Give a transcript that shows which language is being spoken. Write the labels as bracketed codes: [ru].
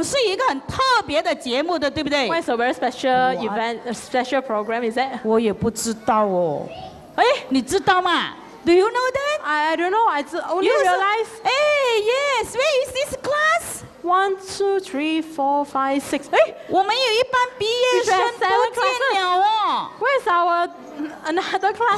[zh] 哦，那一点点了，我有一点点罢了，这样我比你好一点点，因为往往啊，我们要开始这一个的典礼的时候，总是一个很特别的节目的，对不对？ [en] What's a very special event, a special program is that? [zh] 我也不知道哦，哎，你知道吗？ [en] Do you know that? I don't know. I only realize. Hey, yes. Where is this class? 1, 2, 3, 4, 5, 6. Hey, [zh] 我们有一班毕业生，多见鸟哦。 [en] Where's our another class?